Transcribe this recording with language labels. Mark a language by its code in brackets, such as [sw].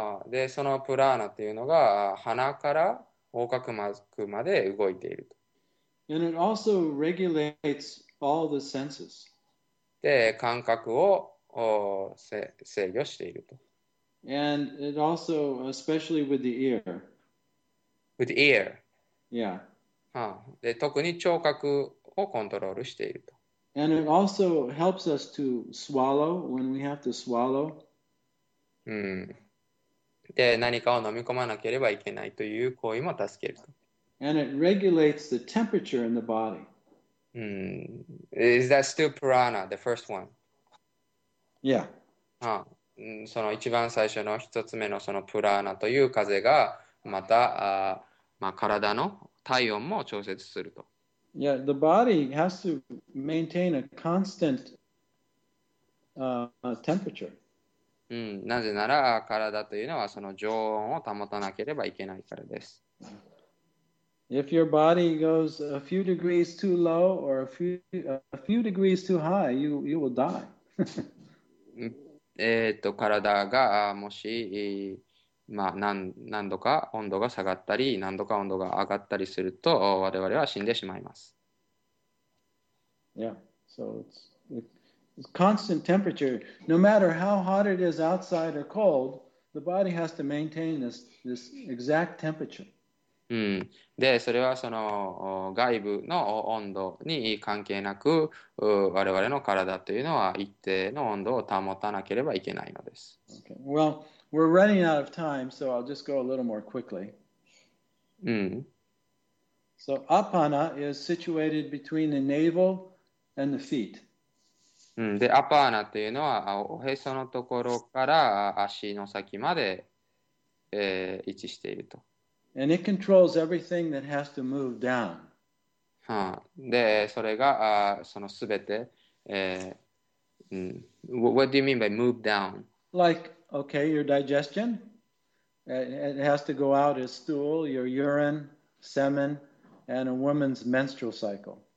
[ja] で、そのプラーナというのが鼻から横隔膜まで動いていると。 [en] And it also regulates all the senses. [ja] で、感覚を制御していると。 [en] And it also, especially with the ear. With the ear? Yeah. [ja] で、特に聴覚をコントロールしていると。 [en] And it also helps us to swallow when we have to swallow. [ja] で、何かを飲み込まなければいけないという行為も助けると。 [en] And it regulates the temperature in the body. Is that still prana, the first one? Yeah. [ja] その一番最初の一つ目のそのプラーナという風が、また、体の体温も調節すると。 [en] Yeah, the body has to maintain a constant, temperature. [ja] なぜなら体というのはその常温を保たなければいけないからです。 [en] If your body goes a few degrees too low or a few degrees too high, you will die. [ja] 体がもし、まあ、何度か温度が下がったり何度か温度が上がったりすると我々は死んでしまいます。 [en] Yeah, so it's constant temperature. No matter how hot it is outside or cold, the body has to maintain this exact temperature. [ja] うん、でそれはその外部の温度に関係なく我々の体というのは一定の温度を保たなければいけないのです。 [en] Okay. Well, we're running out of time, so I'll just go a little more quickly. うん。 So, apana is situated between the navel and the feet. [ja] うん、で、アパーナというのはおへそのところから足の先まで、位置していると。 [en] And it controls everything that has to move down. [ja] はあ、で、それが、そのすべて、 [en] What do you mean by move down? Like, okay, your digestion. It has to go out as stool, your urine, semen, and a woman's menstrual cycle.